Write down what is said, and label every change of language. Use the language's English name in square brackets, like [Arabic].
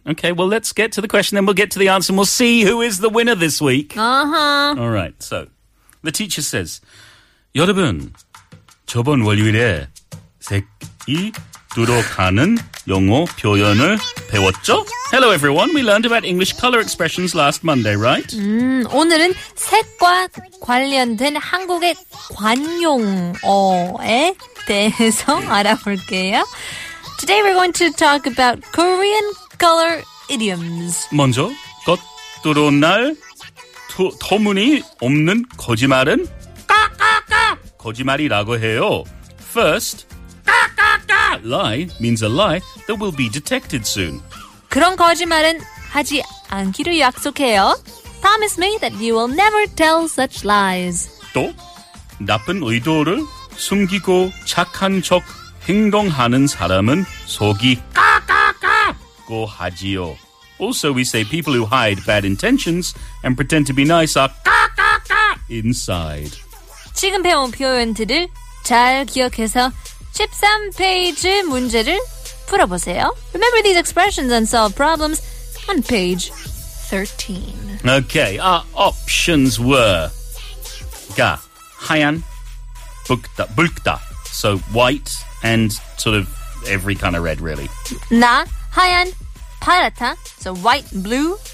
[English] Okay, well, let's get to the question, then we'll get to the answer, and we'll see who is the winner this week. Uh-huh. All right, so the teacher says, [Korean] 여러분, 저번 월요일에 색이 들어가는 영어 표현을 배웠죠? [English] Hello, everyone. We learned about English color expressions last Monday, right? [Korean] 오늘은 색과 관련된 한국의 관용어에 대해서 알아볼게요. [English] Today, we're going to talk about Korean color idioms. [Korean] 먼저, 겉으로 날 터무니 없는 거짓말은 까까까 거짓말이라고 해요. [English] First, lie means a lie that will be detected soon. [Korean] 그런 거짓말은 하지 않기로 약속해요. [English] Promise me that you will never tell such lies. [Korean] 또 나쁜 의도를 숨기고 착한 척 행동하는 사람은 속이 까까까고 하지요. [English] Also, we say people who hide bad intentions and pretend to be nice are 까까까 inside. [Korean] 지금 배운 표현들을 잘 기억해서 13페이지 문제를 풀어보세요. [English] Remember these expressions and solve problems on page 13. Okay, our options were [Korean] 가, 하얀, 붉다, [English] so white and sort of every kind of red really. [Korean] 나, 하얀, 파랗다, [English] so white and blue.